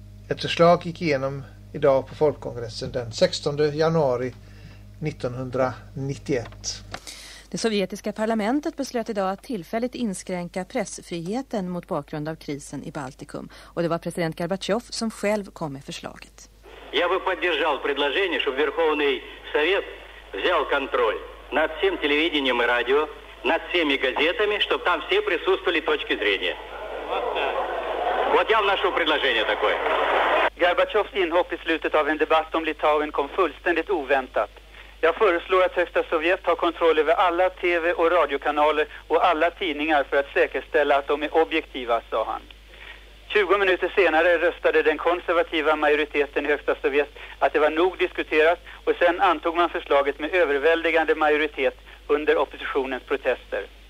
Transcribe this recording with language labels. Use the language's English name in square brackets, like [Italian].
[Swedish] Ett förslag gick igenom idag på folkkongressen den 16 januari 1991. Det sovjetiska parlamentet beslöt idag att tillfälligt inskränka pressfriheten mot bakgrund av krisen i Baltikum. Och det var president Gorbachev som själv kom med förslaget. Jag vill [Russian] поддержал предложение, чтобы Верховный Совет взял контроль над всем телевидением и радио, над всеми газетами, чтобы там все присутствовали точки зрения. Вот я вношу предложение такое. [Swedish] Горбачёвs inhopp i slutet av en debatt om Litauen kom fullständigt oväntat. Jag föreslår att Högsta Sovjet tar kontroll över alla TV- och radiokanaler och alla tidningar för att säkerställa att de är objektiva, sa han. 20 minuter senare röstade den konservativa majoriteten i Högsta Sovjet att det var nog diskuterat, och sen antog man förslaget med överväldigande majoritet under oppositionens protester.